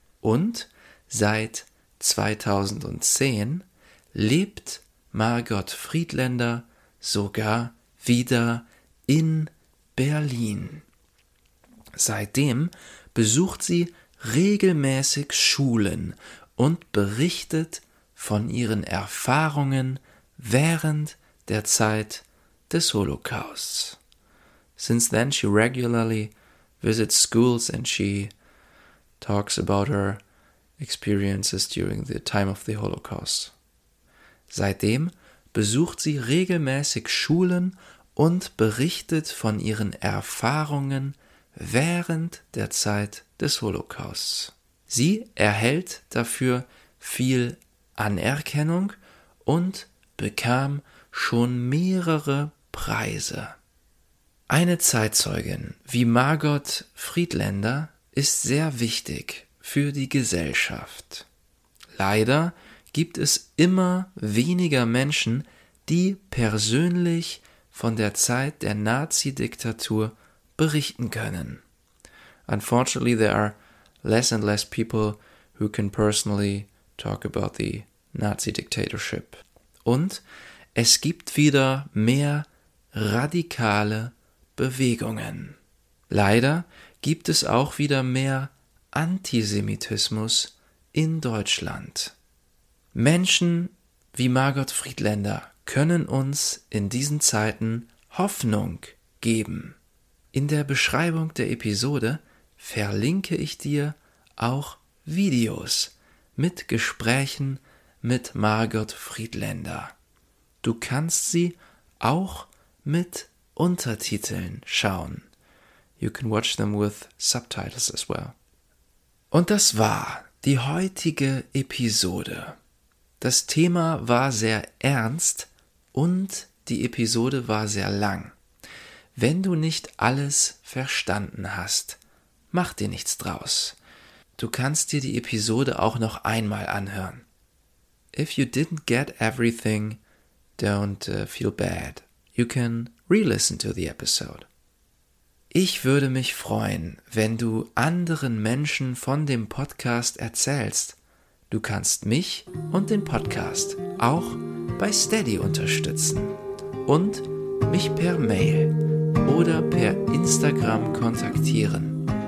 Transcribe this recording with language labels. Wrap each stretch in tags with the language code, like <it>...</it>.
<de>Und seit 2010 lebt Margot Friedländer sogar wieder in Berlin. Seitdem besucht sie regelmäßig Schulen und berichtet von ihren Erfahrungen während der Zeit des Holocausts.</de> <en>Since then she regularly visits schools and she talks about her experiences during the time of the Holocaust.</en> <de>Seitdem besucht sie regelmäßig Schulen und berichtet von ihren Erfahrungen während der Zeit des Holocausts. Sie erhält dafür viel Anerkennung und bekam schon mehrere Preise. Eine Zeitzeugin wie Margot Friedländer ist sehr wichtig für die Gesellschaft. Leider gibt es immer weniger Menschen, die persönlich von der Zeit der Nazi-Diktatur berichten können.</de> <en>Unfortunately, there are less and less people who can personally talk about the Nazi dictatorship.</en> <de>Und es gibt wieder mehr radikale Bewegungen. Leider gibt es auch wieder mehr Antisemitismus in Deutschland. Menschen wie Margot Friedländer können uns in diesen Zeiten Hoffnung geben. In der Beschreibung der Episode verlinke ich dir auch Videos mit Gesprächen mit Margot Friedländer. Du kannst sie auch mit Untertiteln schauen.</de> <en>You can watch them with subtitles as well.</en> <de>Und das war die heutige Episode. Das Thema war sehr ernst und die Episode war sehr lang. Wenn du nicht alles verstanden hast, mach dir nichts draus. Du kannst dir die Episode auch noch einmal anhören.</de> <en>If you didn't get everything, don't feel bad. You can re-listen to the episode.</en> <de>Ich würde mich freuen, wenn du anderen Menschen von dem Podcast erzählst. Du kannst mich und den Podcast auch bei Steady unterstützen und mich per Mail oder per Instagram kontaktieren.</de>